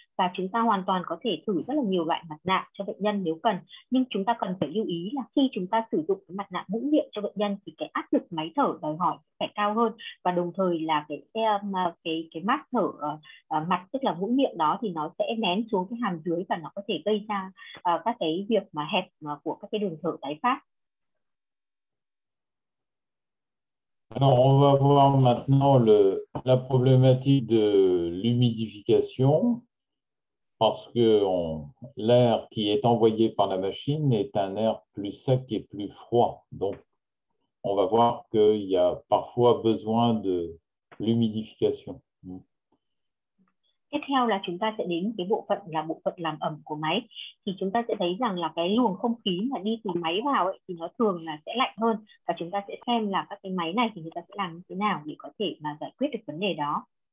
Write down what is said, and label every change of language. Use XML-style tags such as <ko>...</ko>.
<vi>Và chúng ta hoàn toàn có thể thử rất là nhiều loại mặt nạ cho bệnh nhân nếu cần, nhưng chúng ta cần phải lưu ý là khi chúng ta sử dụng cái mặt nạ mũi miệng cho bệnh nhân thì cái áp lực máy thở đòi hỏi phải cao hơn, và đồng thời là cái mask thở mặt, tức là mũi miệng đó, thì nó sẽ nén xuống cái hàm dưới và nó có thể gây ra các cái việc mà hẹp của các cái đường thở tái phát.</vi> <fr>Alors, on va voir maintenant la problématique de l'humidification, parce que l'air qui est envoyé par la machine est un air plus sec et plus froid. Donc, on va voir qu'il y a parfois besoin de l'humidification.</fr> <vi>Tiếp theo là chúng ta sẽ đến cái bộ phận làm ẩm của máy. Thì chúng ta sẽ thấy rằng là cái luồng không khí mà đi từ máy vào ấy, thì nó thường là sẽ lạnh hơn, và chúng ta sẽ xem là các cái máy này thì người ta sẽ làm như thế nào để có thể mà giải quyết được vấn đề đó.</vi>